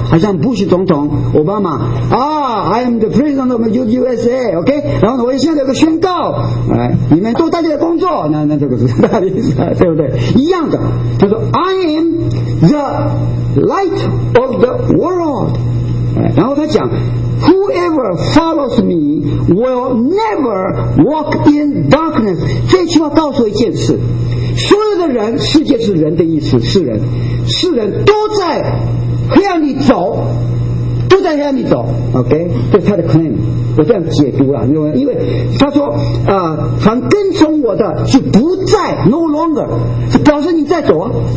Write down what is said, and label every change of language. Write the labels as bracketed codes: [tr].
[zh] 好像 Bush 总统 ，Obama. [en] I am the president of the USA. OK. [zh] 然后呢，我现在有个宣告，哎，你们都大家的工作，那这个是大意思，对不对？一样的，他说 [en] I am the light of the world. [zh] 哎，然后他讲。 [en] Whoever follows me will never walk in darkness. [zh] 这句话告诉我一件事：所有的人，世界是人的意思，是人，是人都在黑暗里走，都在黑暗里走。 OK， 这是他的 claim。我这样解读了，因为他说啊，凡跟从我的就不在 ， [en] no longer， [zh] 表示你在走啊。